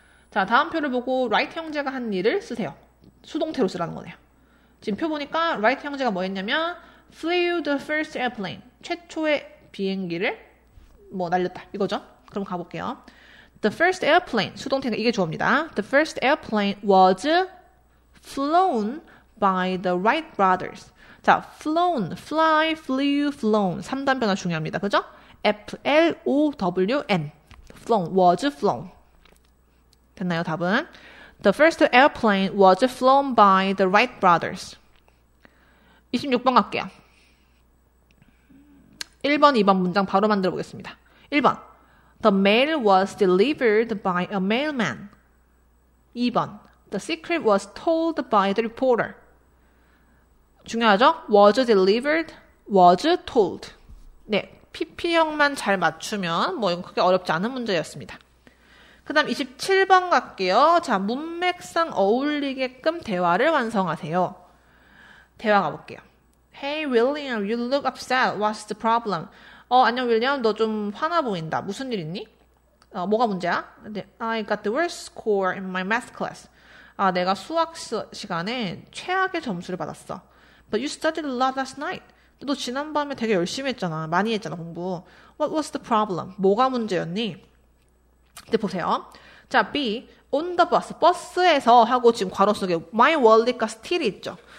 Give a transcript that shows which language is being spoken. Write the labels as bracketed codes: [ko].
[ko] 자, 다음 표를 보고 라이트 형제가 한 일을 쓰세요. 수동태로 쓰라는 거네요. 지금 표 보니까 라이트 형제가 뭐 했냐면 [en] flew the first airplane. [ko] 최초의 비행기를 뭐 날렸다. 이거죠. 그럼 가볼게요. [en] The first airplane. [ko] 수동태가 이게 주어입니다. [en] The first airplane was flown by the Wright brothers. [ko] 자, flown, fly, flew, flown. 3단 변화 중요합니다. 그죠? [en] F-L-O-W-N. flown, was flown. [ko] 됐나요, 답은? [en] The first airplane was flown by the Wright brothers. [ko] 26번 갈게요. 1번, 2번 문장 바로 만들어 보겠습니다. [en] 1번. The mail was delivered by a mailman. 2번. The secret was told by the reporter. [ko] 중요하죠? [en] Was delivered, was told. [ko] 네. PP형만 잘 맞추면 뭐 이건 크게 어렵지 않은 문제였습니다. 그 다음 27번 갈게요. 자, 문맥상 어울리게끔 대화를 완성하세요. [en] 대화 가볼게요. Hey, William, you look upset. What's the problem? [ko] 안녕, William. 너 좀 화나 보인다. 무슨 일 있니? 뭐가 문제야? [en] I got the worst score in my math class. [ko] 내가 수학 시간에 최악의 점수를 받았어. [en] But you studied a lot last night. [ko] 너 지난밤에 되게 열심히 했잖아. 많이 했잖아, 공부. [en] What was the problem? [ko] 뭐가 문제였니? 이제 보세요. 자, B. [en] On the bus. [ko] 버스에서 하고 지금 괄호 속에 My wallet가 still 있죠.